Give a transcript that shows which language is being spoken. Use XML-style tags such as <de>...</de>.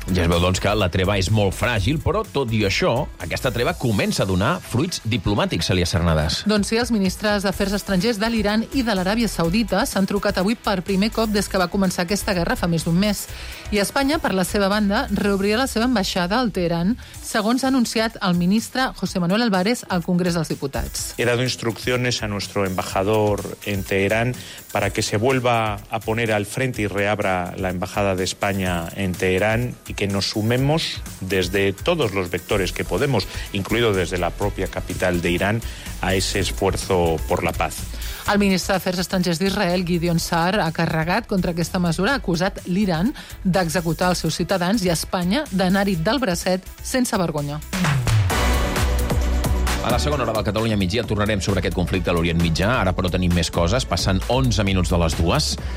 <ca>Ja es veu, doncs, que la treva és molt fràgil, però, tot i això, aquesta treva comença a donar fruits diplomàtics, Celia Cernadas. Doncs sí, els ministres d'Afers Estrangers de l'Iran i de l'Aràbia Saudita s'han trucat avui per primer cop des que va començar aquesta guerra fa més d'un mes. I Espanya, per la seva banda, reobrirà la seva ambaixada al Teheran, segons ha anunciat el ministre José Manuel Álvarez al Congrés dels Diputats.</ca> <es>He dado instrucciones a nuestro embajador en Teherán para que se vuelva a poner al frente y reabra la embajada de España en Teherán y que nos sumemos desde todos los vectores que podemos, incluido desde la propia capital de Irán, a ese esfuerzo por la paz.</es> <ca>El ministre d'Afers Estrangers d'Israel, Gideon Saar, ha carregat contra aquesta mesura, ha acusat l'Iran d'executar els seus ciutadans i Espanya d'anar-hi del bracet sense vergonya. A la segona hora del Catalunya Migdia tornarem sobre aquest conflicte a l'Orient Mitjà. Ara, però, tenim més coses, passant 11 minuts de les dues.</ca>